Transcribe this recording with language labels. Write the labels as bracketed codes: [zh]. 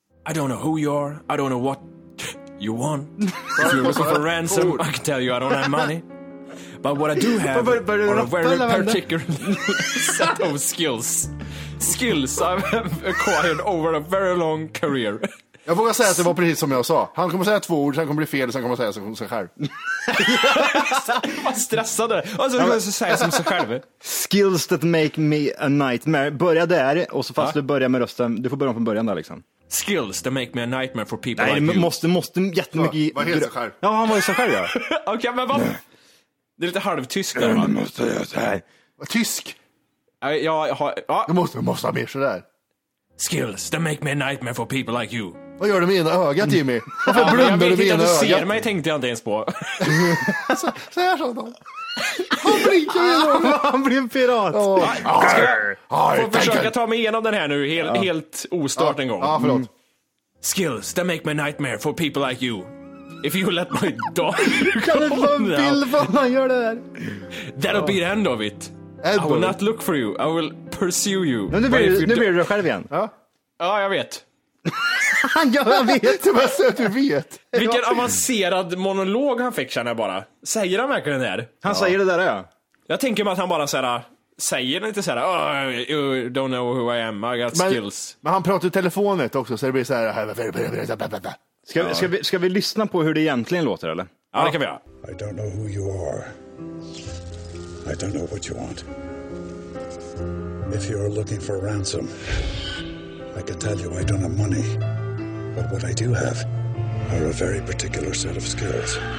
[en] I don't know who you are. I don't know what you want. If you're looking for ransom, I can tell you I don't have money. But what I do have are a very particular set of skills. Skills I've acquired over a very long career. [sv] Jag vågar säga att det var precis som jag sa. Han kommer säga två ord, sen kommer det bli fel, sen kommer han säga som sig själv. Vad stressad du är. Alltså, säga som sig själv. [en] Skills that make me a nightmare. [sv] Börja där, och så fast du börjar med rösten. Du får börja från början där, liksom. [en] Skills that make me a nightmare for people. [sv] Nej, [en] like [sv] det [en] you. [sv] Måste jättemycket. Vad heter sig själv? Ja, han var ju sig själv, ja. Okej, okay, men vad? Det är lite halvtysk där, va? Måste jag säga. Tysk? Jag har... Ja. Du måste ha mer sådär. [en] Skills that make me a nightmare for people like you. [sv] Vad gör du med ena ögat, Jimmy? Varför blundar du med ena ögat? Jag vet inte att du ser mig, tänkte jag inte ens på. Så här sa de. Han blinkar med ena ögat. Han blir en pirat. Försöka ta mig igenom den här nu, helt ostört en gång. Ja, förlåt. Mm. [en] Skills that make me a nightmare for people like you. If you let my dog [sv] kan du få en bild på vad han gör det där? [en] That'll be the end of it. I will not look for you. I will pursue you. [sv] Men nu blir du själv igen. Ja, jag vet. Jag vet. Det var så att du vet. Vilken avancerad monolog han fick, känner jag bara. Säger han verkligen det här? Han säger det där, ja. Jag tänker mig att han bara såhär, säger inte såhär, [en] oh, you don't know who I am, I got skills. [sv] Men han pratar i telefonet också, så det blir såhär. Ska vi lyssna på hur det egentligen låter, eller? Ja, det kan vi göra. [en] I don't know who you are. I don't know what you want. If you're looking for ransom, I can tell you I don't have money. But what I do have are a very particular set of skills.